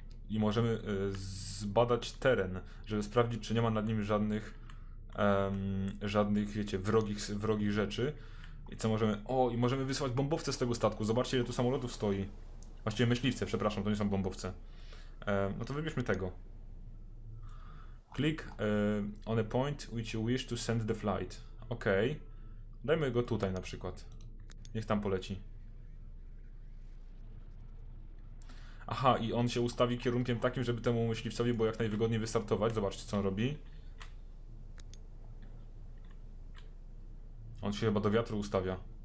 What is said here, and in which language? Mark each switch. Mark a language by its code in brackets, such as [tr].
[pl] I możemy zbadać teren, żeby sprawdzić, czy nie ma nad nim żadnych żadnych, wiecie, wrogich rzeczy. I co możemy... O, i możemy wysłać bombowce z tego statku. Zobaczcie, ile tu samolotów stoi. Właściwie myśliwce, przepraszam, to nie są bombowce. No to wybierzmy tego. [en] Click on a point which you wish to send the flight. Okej. [pl] Dajmy go tutaj na przykład. Niech tam poleci. Aha, i on się ustawi kierunkiem takim, żeby temu myśliwcowi było jak najwygodniej wystartować. Zobaczcie, co on robi. On się chyba do wiatru ustawia.